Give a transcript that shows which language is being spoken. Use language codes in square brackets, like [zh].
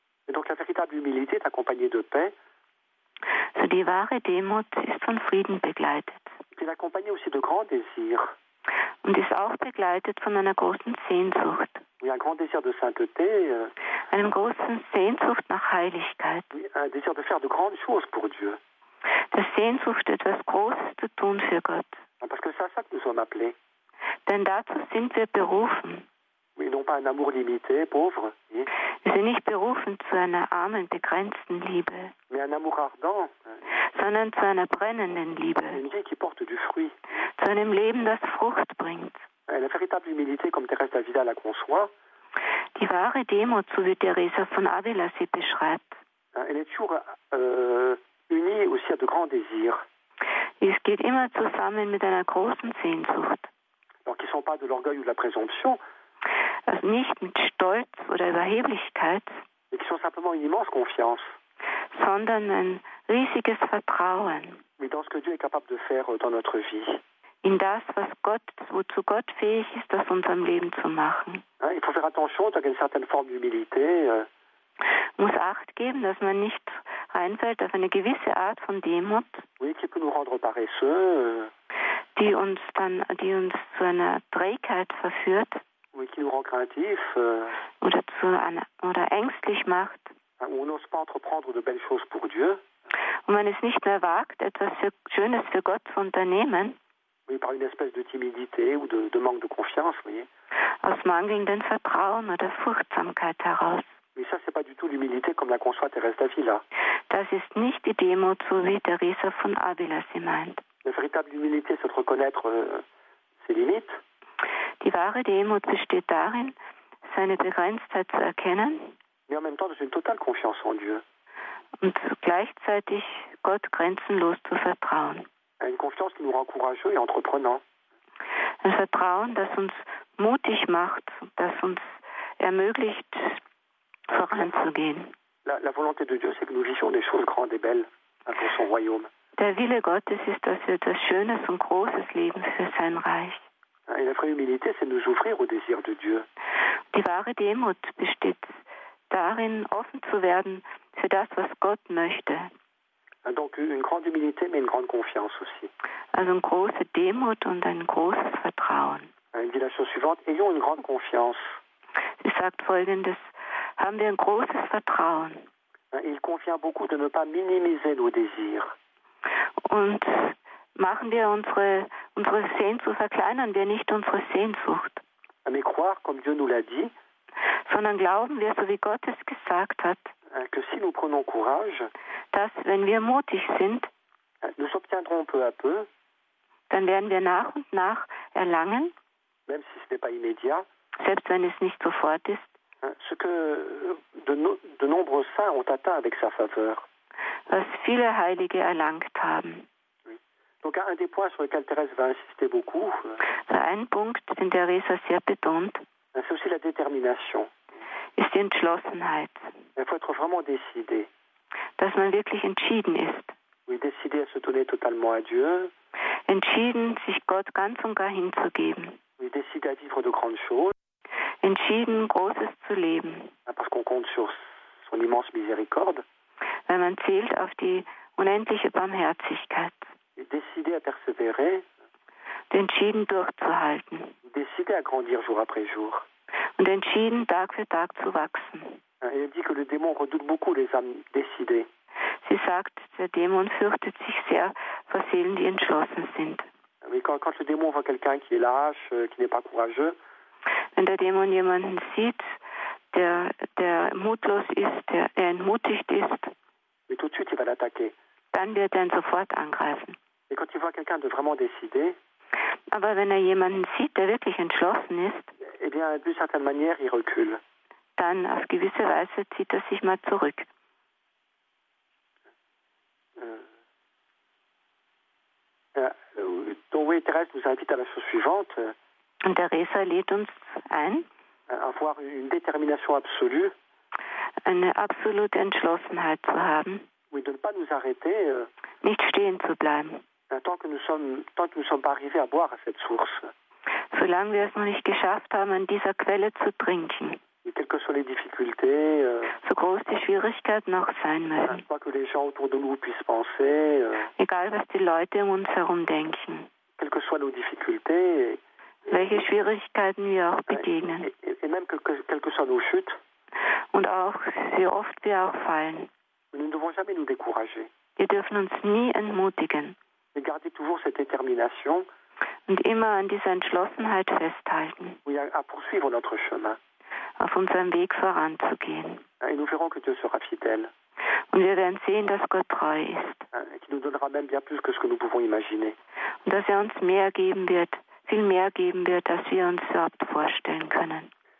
[fr] Et donc la véritable humilité est accompagnée de paix. [de] So die wahre Demut ist von Frieden begleitet. [fr] bin accompagné aussi de grands désirs. [de] Und ist auch begleitet von einer großen Sehnsucht. [fr] Oui, un grand désir de sainteté. [de] Einem großen Sehnsucht nach Heiligkeit. [fr] Oui, un désir de faire de grandes choses pour Dieu. [de] Der Sehnsucht, etwas Großes zu tun für Gott. [fr] Parce que c'est à ça que nous sommes appelés. [de] Denn dazu sind wir berufen. [fr] Oui, non pas un amour limité, pauvre. Oui. [de] Wir sind nicht berufen zu einer armen, begrenzten Liebe. [fr] Mais un amour ardent. [de] Sondern zu einer brennenden Liebe. [fr] Une vie qui porte du fruit. [de] Zu einem Leben, das Frucht bringt. [fr] La véritable humilité, comme Thérèse d'Avila la conçoit. [de] Die wahre Demut, so wie Teresa von Avila sie beschreibt. [fr] Elle est toujours unie aussi à de grands désirs. [de] Es geht immer zusammen mit einer großen Sehnsucht. [fr] Alors, qui ne sont pas de l'orgueil ou de la présomption. [de] Also nicht mit Stolz oder Überheblichkeit. [fr] Mais qui sont simplement une immense confiance. [de] Sondern ein riesiges Vertrauen. [fr] Mais dans ce que Dieu est capable de faire dans notre vie. [de] In das, was Gott, wozu Gott fähig ist, das unserem Leben zu machen. [fr] Ja, il faut faire attention, dans une certaine forme d'humilité. [de] Muss Acht geben, dass man nicht reinfällt auf eine gewisse Art von Demut. [fr] Oui, qui peut nous rendre paresseux. [de] Die uns dann, die uns zu einer Trägheit verführt. [fr] Oui, qui nous rend craintif. [de] Oder zu einer, oder ängstlich macht. [fr] On n'ose pas entreprendre de belles choses pour Dieu. [de] Und man es nicht mehr wagt, etwas für Schönes für Gott zu unternehmen. [fr] Oui, par une espèce de timidité ou de manque de confiance, oui. [de] Aus mangelndem Vertrauen oder Furchtsamkeit heraus. [fr] Mais ça, c'est pas du tout l'humilité comme la conçoit Thérèse d'Avila. [de] Das ist nicht die Demut, so wie Teresa von Avila sie meint. [fr] La véritable humilité, c'est de reconnaître ses limites. [de] Die wahre Demut besteht darin, seine Begrenztheit zu erkennen. [fr] Mais en même temps, dans une totale confiance en Dieu. [de] Und gleichzeitig Gott grenzenlos zu vertrauen. [fr] Une confiance qui nous rend courageux et entreprenants. [de] Un Vertrauen, das uns mutig macht, das uns ermöglicht, voranzugehen. [fr] La volonté de Dieu, c'est que nous vivions des choses grandes et belles pour son royaume. [de] Der Wille Gottes ist, dass wir etwas Schönes und Großes leben für sein Reich. [fr] Et la vraie humilité, c'est nous ouvrir au désir de Dieu. [de] Die wahre Demut besteht darin, offen zu werden für das, was Gott möchte. [fr] Donc une grande humilité, mais une grande confiance aussi. [de] Also eine große Demut und ein großes Vertrauen. [fr] Elle dit la chose suivante, ayons une grande confiance. [de] Sie sagt folgendes, haben wir ein großes Vertrauen. [fr] Il convient beaucoup de ne pas minimiser nos désirs. [de] Und machen wir unsere Sehnsucht, verkleinern wir nicht unsere Sehnsucht. [fr] Mais croire, comme Dieu nous l'a dit. [de] Sondern glauben wir, so wie Gott es gesagt hat. [fr] Que si nous prenons courage, [de] dass, wenn wir mutig sind, [fr] nous obtiendrons peu à peu, [de] dann werden wir nach und nach erlangen, [fr] même si ce n'est pas immédiat, [de] selbst wenn es nicht sofort ist, [fr] ce que de nombreux saints ont atteint avec sa faveur, [de] was viele Heilige erlangt haben. [fr] Donc un des points sur lequel Thérèse va insister beaucoup, [de] ein Punkt, den Thérèse sehr betont, [fr] c'est aussi la détermination. [de] Ist die Entschlossenheit. [fr] Il faut être vraiment décidé. [de] Dass man wirklich entschieden ist. [fr] Oui, décidé à se donner totalement à Dieu. [de] Entschieden, sich Gott ganz und gar hinzugeben. [fr] Oui, décidé à vivre de grandes choses. [de] Entschieden, Großes zu leben. [fr] Parce qu'on compte sur son immense miséricorde. [de] Weil man zählt auf die unendliche Barmherzigkeit. [fr] Et décidé à persévérer. [de] Entschieden, durchzuhalten. [fr] Décidé à grandir jour après jour. [de] Und entschieden, Tag für Tag zu wachsen. [fr] Elle dit que le démon redoute beaucoup les âmes décidées. [de] Sie sagt, der Dämon fürchtet sich sehr vor Seelen, die entschlossen sind. [fr] Mais quand le démon voit quelqu'un qui est lâche, qui n'est pas courageux, [de] wenn der Dämon jemanden sieht, der mutlos ist, der entmutigt ist, [fr] mais tout de suite, il va l'attaquer. [de] Dann wird er ihn sofort angreifen. [fr] Et quand il voit quelqu'un de vraiment décidé, [de] aber wenn er jemanden sieht, der wirklich entschlossen ist, [fr] eh bien, d'une certaine manière, il recule. [de] Dann, auf gewisse Weise, zieht er sich mal zurück. [fr] Donc, oui, Thérèse nous invite à la chose suivante. [de] Und Thérèse lädt uns ein. [fr] Avoir une détermination absolue. [de] Eine absolute Entschlossenheit zu haben. [fr] Oui, de ne pas nous arrêter. [de] Nicht stehen zu bleiben. [fr] Tant que nous ne sommes pas arrivés à boire à cette source. [de] Solange wir es noch nicht geschafft haben, an dieser Quelle zu trinken. [fr] quelles que soient les difficultés. [de] So groß die Schwierigkeit noch sein mögen. [fr] Pas que les gens autour de nous puissent penser. [de] Egal was die Leute um uns herum denken. [fr] Quelles que soient nos difficultés. [de] Welche Schwierigkeiten wir auch begegnen. [fr] Et même quelles que soient nos chutes. [de] Und auch wie oft wir auch fallen. [fr] Nous ne devons jamais nous décourager. [de] Wir dürfen uns nie entmutigen. [fr] Et garder toujours cette détermination. [de] Und immer an dieser Entschlossenheit festhalten. [fr] Oui, à poursuivre notre chemin. [de] Auf unserem Weg voranzugehen. [fr] Et nous verrons que Dieu sera fidèle. [de] Und wir werden sehen, dass Gott treu ist. [fr] Et qu'il nous donnera même bien plus que ce que nous pouvons imaginer. [de] Und dass er uns mehr geben wird, viel mehr geben wird, als wir uns überhaupt vorstellen können.